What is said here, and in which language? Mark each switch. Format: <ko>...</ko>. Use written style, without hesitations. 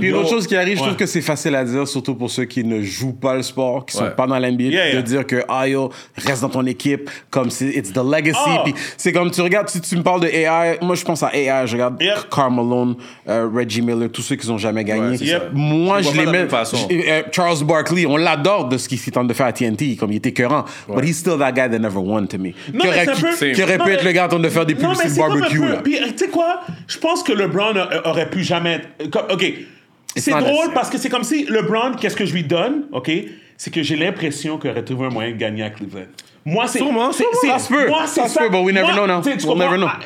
<fr>Puis l'autre chose qui arrive, je trouve que c'est facile à dire, surtout pour ceux qui ne jouent pas le sport, qui sont pas dans l'NBA, de dire que, ah yo, reste dans ton équipe, comme c'est</fr> <en>it's the legacy.</en> <fr>Puis c'est comme tu regardes, si tu me parles de AI, moi je pense à AI, je regarde Karl Malone, Reggie Miller, tous ceux qui ont jamais gagné. Moi je les mets. Charles Barkley, on l'adore de ce qu'il tente de faire à TNT, comme il était écœurant.</fr> <en>But he's still that guy that never won to me.</en> <fr>Qui aurait pu être le gars en train de faire des pubs sur le barbecue. Puis tu sais quoi, je pense que LeBron aurait pu jamais être... OK. C'est drôle parce que c'est comme si LeBron, qu'est-ce que je lui donne, OK, c'est que j'ai l'impression qu'il aurait trouvé un moyen de gagner à Cleveland. Moi, c'est... Sûrement,</fr> <en>but we'll never know.</en>